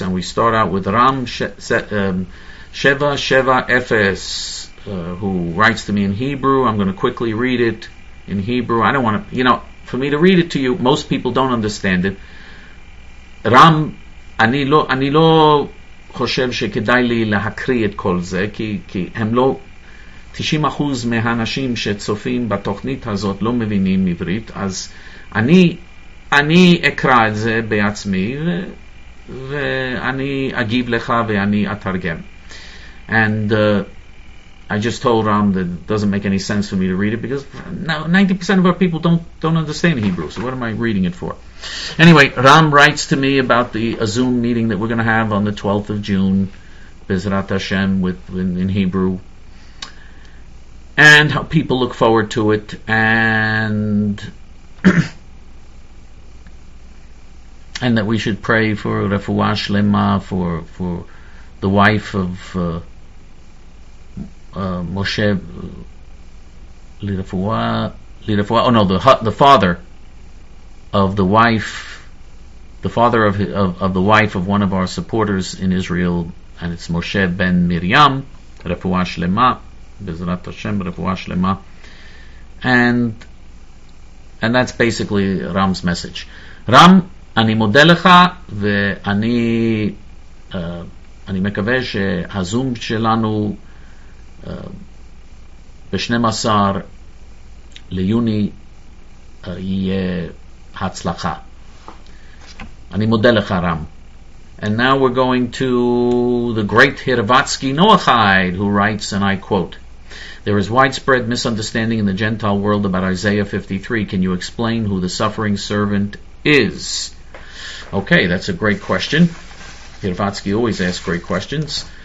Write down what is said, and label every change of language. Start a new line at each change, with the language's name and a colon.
English: And we start out with Ram Sheva Sheva Efes, who writes to me in Hebrew. I'm going to quickly read it in Hebrew. I don't want to, for me to read it to you, most people don't understand it. Ram,
Hebrew: ani lo חושב שכדאי לי להקריא את כל זה, כי הם לא, 90% מהאנשים שצופים בתוכנית הזאת לא מבינים עברית, אז אני אקרא את זה בעצמי, ואני אגיב לך ואני אתרגם.
English: And I just told Ram that it doesn't make any sense for me to read it because now 90% of our people don't understand Hebrew, so what am I reading it for? Anyway, Ram writes to me about a Zoom meeting that we're going to have on the 12th of June, Bezrat Hashem, in Hebrew, and how people look forward to it, and and that we should pray for Refuah Shlema, for the wife of Moshe Lirafuah, oh no, the father of the wife, the father of the wife of one of our supporters in Israel, and it's Moshe ben Miriam, Refuah Shlema, Bezrat Hashem, Refuah Shlema, and that's basically Ram's message.
Hebrew: Ram, אני מודה לך, ואני מקווה שהזום שלנו ב-12 ליוני יהיה הצלחה. אני מודה לך, רם.
English: And now we're going to the great Hirvatsky Noachide, who writes, and I quote, "There is widespread misunderstanding in the Gentile world about Isaiah 53. Can you explain who the suffering servant is?" Okay, that's a great question. Hirvatsky always asks great questions.